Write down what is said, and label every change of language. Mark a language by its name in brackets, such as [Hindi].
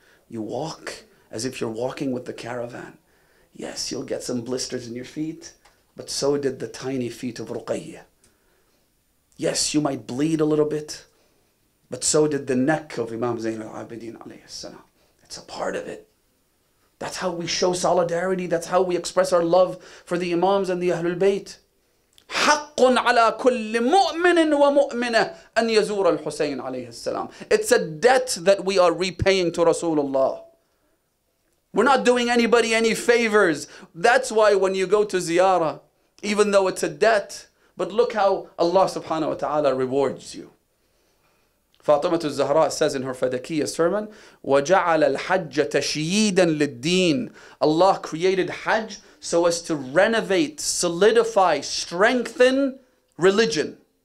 [English] You walk as if you're walking with the caravan. Yes, you'll get some blisters in your feet, but so did the tiny feet of Ruqayyah. Yes, you might bleed a little bit, but so did the neck of Imam Zain al-Abidin alayhi salam. It's a part of it. That's how we show solidarity. That's how we express our love for the Imams and the Ahlul Bayt. [Arabic] حَقٌ عَلَىٰ كُلِّ مُؤْمِنٍ وَمُؤْمِنَةٍ أَنْ يَزُورَ الْحُسَيْنِ عَلَيْهِ السَّلَامِ [English] It's a debt that we are repaying to Rasulullah. We're not doing anybody any favors. That's why when you go to Ziyarah, even though it's a debt, but look how Allah subhanahu wa ta'ala rewards you. Fatima al-Zahra says in her Fadakiya sermon, [Arabic] وَجَعَلَ الْحَجَّ تَشْيِيدًا لِلدِّينِ [English] Allah created Hajj so as to renovate, solidify, strengthen religion.